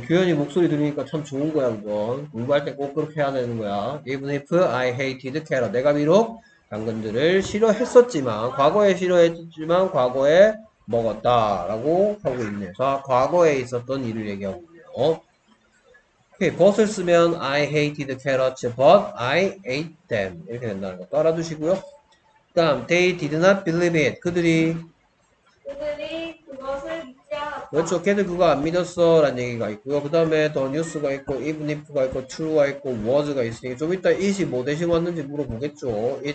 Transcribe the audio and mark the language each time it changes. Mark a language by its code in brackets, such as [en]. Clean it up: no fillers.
[ko] 규현이 목소리 들으니까 참 좋은 거야, 이건. 공부할 때꼭 그렇게 해야 되는 거야. [en] Even if I hated carrots. [ko] 내가 비록 당근들을 싫어했었지만, 과거에 싫어했지만, 과거에 먹었다. 라고 하고 있네요. 자, 과거에 있었던 일을 얘기하고 있네요. 오케이. [en] but [ko] 을 쓰면 [en] I hated carrots, but I ate them. [ko] 이렇게 된다는 거 알아두시고요. 그다음, [en] they did not believe it. [ko] 그들이 그들이 그것을 믿지 그렇죠. 걔들 그거 안 믿었어라는 얘기가 있고요. 그 다음에 더 뉴스가 있고, even if가 있고, true가 있고, was가 있으니 좀 이따 it이 뭐 대신 왔는지 물어보겠죠.